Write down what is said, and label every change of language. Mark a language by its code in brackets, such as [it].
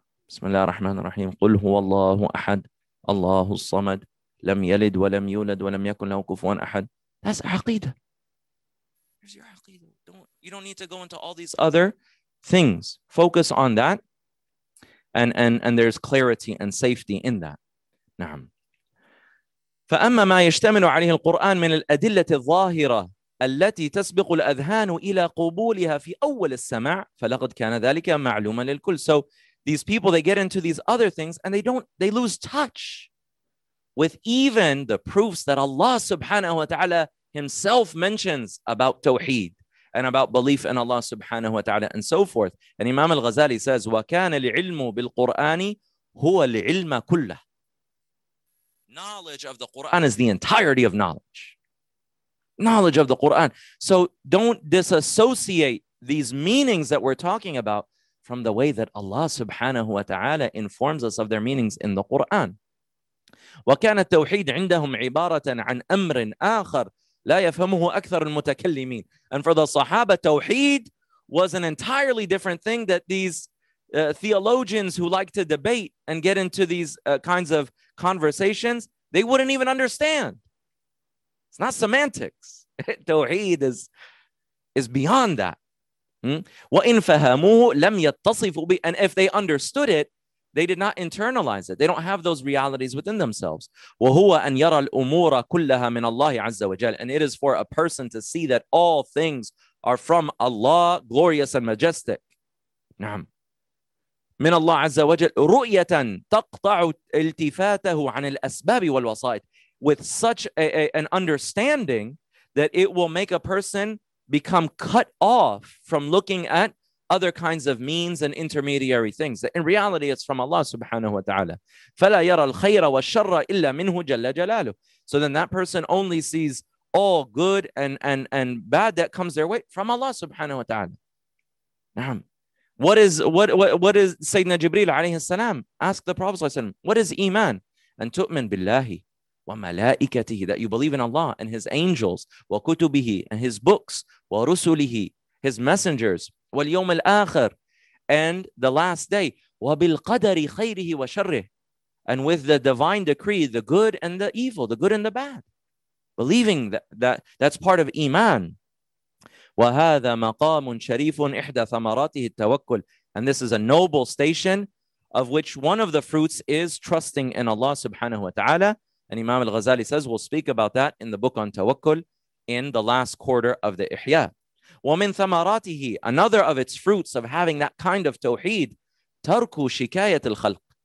[ar] Bismillah ar-Rahman ar-Rahim. قُلْ هُوَ اللَّهُ أَحَدْ اللَّهُ الصَّمَدْ لَمْ يَلِدْ وَلَمْ يُولَدْ وَلَمْ يَكُنْ لَهُ كُفُوًا أَحَدْ. [en] That's aqidah. There's your aqidah. You don't need to go into all these other things. Focus on that. And there's clarity and safety in that. [ar] Naam. فأما ما يشتمل عليه القرآن من الأدلة الظاهرة التي تسبق الأذهان إلى قبولها في أول السمع فلقد كان ذلك معلوما للكل. [en] So these people, they get into these other things and they lose touch with even the proofs that Allah subhanahu wa ta'ala himself mentions about tawheed and about belief in Allah subhanahu wa ta'ala and so forth. And Imam al-Ghazali says, [ar] وَكَانَ الْعِلْمُ بِالْقُرْآنِ هُوَ الْعِلْمَ كُلَّهُ. [en] Knowledge of the Quran is the entirety of knowledge. Knowledge of the Quran. So don't disassociate these meanings that we're talking about from the way that Allah subhanahu wa ta'ala informs us of their meanings in the Quran. [ar] وَكَانَ التَّوْحِيدُ عِنْدَهُمْ عِبَارَةً عَنْ أَمْرٍ آخَرٍ لَا يَفْهَمُهُ أَكْثَرُ الْمُتَكَلِّمِينَ. [en] And for the Sahaba, tawheed was an entirely different thing that these theologians who like to debate and get into these kinds of conversations, they wouldn't even understand. It's not semantics. Tawheed is beyond that. [ar] وَإِنْ فَهَمُوهُ لَمْ يَتَّصِفُوا بِهِ. [en] And if they understood it, they did not internalize it. They don't have those realities within themselves. [ar] وَهُوَ أَنْ يَرَى الْأُمُورَ كُلَّهَا مِنَ اللَّهِ عَزَّ وَجَلَ. [en] And it is for a person to see that all things are from Allah, glorious and majestic. [ar] نعم. من الله عز وجل رؤية تقطع التفاته عن الأسباب والوسائط. [en] With such an understanding that it will make a person become cut off from looking at other kinds of means and intermediary things. In reality, it's from Allah subhanahu wa ta'ala. [ar] فلا يرى الخير والشر إلا منه جل جلاله. [en] So then that person only sees all good and bad that comes their way from Allah subhanahu wa ta'ala. [ar] نعم. [en] What is Sayyidina Jibreel alayhi salam? Ask the Prophet sallallahu alayhi wa sallam, what is iman? [ar] And tu'min billahi wa malaikatihi, [en] that you believe in Allah and his angels, [ar] wa kutubihi, [en] and his books, [ar] wa rusulihi, [en] his messengers, [ar] wal yawm al-akhir, [en] and the last day, [ar] wa bil qadari khayrihi wa sharrih, [en] and with the divine decree, the good and the evil, the good and the bad. Believing that's part of iman. [ar] وهذا مقام شريف إحدى ثمراته التوكل. [en] And this is a noble station of which one of the fruits is trusting in Allah subhanahu wa ta'ala. And Imam al-Ghazali says, we'll speak about that in the book on tawakkul in the last quarter of the Ihya. [ar] ومن ثمراته, [en] another of its fruits of having that kind of tawheed, [ar] ترك شكاية الخلق.